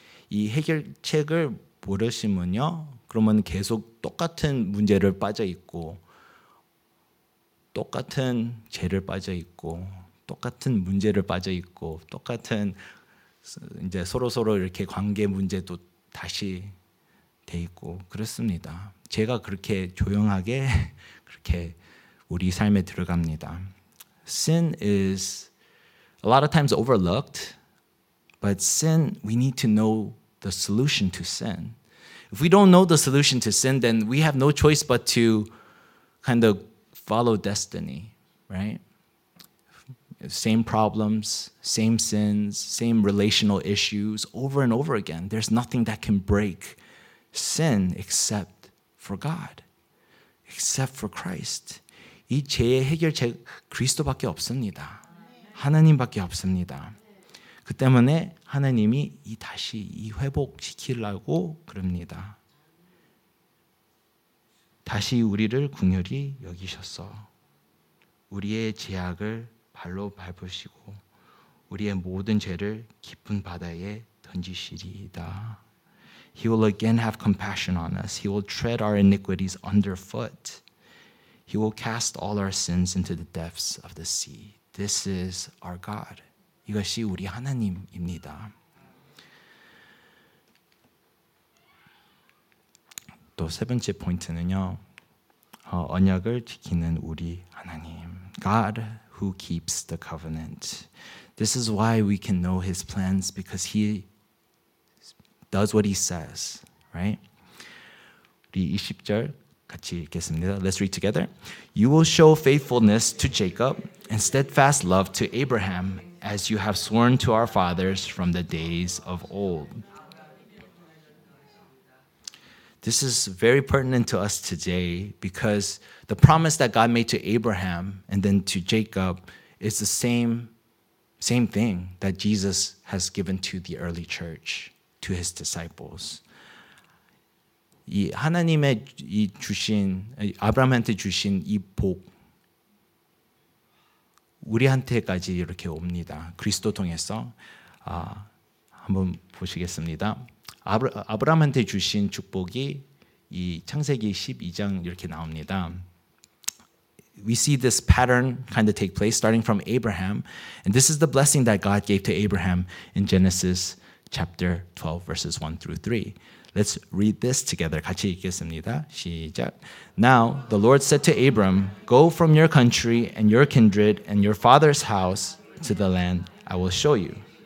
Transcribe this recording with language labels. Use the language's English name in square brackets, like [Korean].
[Korean] 이 해결책을 모르시면요, 그러면 계속 똑같은 문제를 빠져 있고 똑같은 죄를 빠져 있고 똑같은 문제를 빠져 있고 똑같은 이제 서로 이렇게 관계 문제도 다시 돼 있고 그렇습니다. 제가 그렇게 조용하게 그렇게 우리 삶에 들어갑니다. [English] Sin is a lot of times overlooked, but sin, we need to know the solution to sin. If we don't know the solution to sin, then we have no choice but to kind of follow destiny, right? Same problems, same sins, same relational issues over and over again. There's nothing that can break sin except for God, except for Christ. [Korean] 이 죄의 해결책 그리스도밖에 없습니다. 하나님밖에 없습니다. 그 때문에 하나님이 이 다시 이 회복시키려고 그럽니다. 다시 우리를 긍휼히 여기셔서 우리의 죄악을 발로 밟으시고 우리의 모든 죄를 깊은 바다에 던지시리이다. [English] He will again have compassion on us. He will tread our iniquities underfoot. He will cast all our sins into the depths of the sea. This is our God. [Korean] 이것이 우리 하나님입니다. 또 세 번째 포인트는요. 언약을 지키는 우리 하나님. [English] God who keeps the covenant. This is why we can know his plans because he does what he says, right? [Korean] 우리 20절 같이 읽겠습니다. [English] Let's read together. You will show faithfulness to Jacob and steadfast love to Abraham as you have sworn to our fathers from the days of old. This is very pertinent to us today because the promise that God made to Abraham and then to Jacob is the same thing that Jesus has given to the early church, to his disciples. [Korean] 이 하나님의 이 주신 아브라함한테 주신 이 복 우리한테까지 이렇게 옵니다. 그리스도 통해서 한번 보시겠습니다. 아브라함한테 주신 축복이 이 창세기 12장 이렇게 나옵니다. [English] We see this pattern kind of take place starting from Abraham. And this is the blessing that God gave to Abraham in Genesis chapter 12 verses 1 through 3. Let's read this together. [Korean] 같이 읽겠습니다. 시작. [English] Now the Lord said to Abram, go from your country and your kindred and your father's house to the land I will show you.